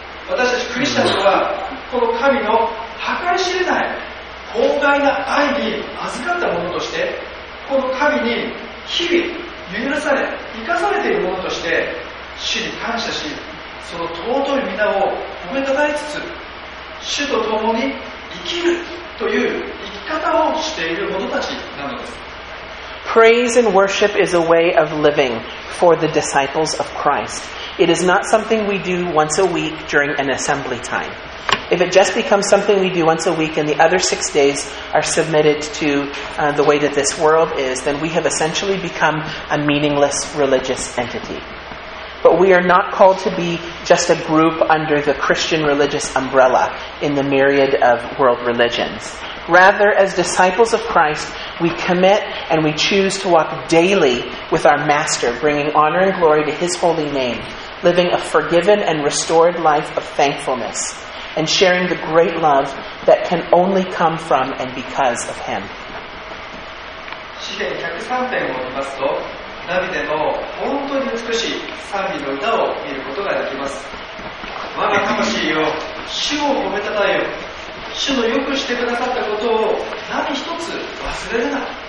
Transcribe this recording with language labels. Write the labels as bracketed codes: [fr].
[ja] 私たちクリスチャンはこの神の計り知れない広大な愛に預かったものとして、この神に日々許され生かされているものとして、主に感謝し、その尊い皆を褒めたたえつつ、主と共に生きるという生き方をしている者たちなのです。 [en] Praise and worship is a way of living for the disciples of Christ. It is not something we do once a week during an assembly time. If it just becomes something we do once a week and the other 6 days are submitted to the way that this world is, then we have essentially become a meaningless religious entity. But we are not called to be just a group under the Christian religious umbrella in the myriad of world religions. Rather, as disciples of Christ, we commit and we choose to walk daily with our Master, bringing honor and glory to His holy name, living a forgiven and restored life of thankfulness, and sharing the great love that can only come from and because of Him. [ja] 詩篇103篇を見ますと、ダビデの本当に美しい賛美の歌を見ることができます。我が魂よ、主を褒めたたえよ。主の良くしてくださったことを何一つ忘れるな。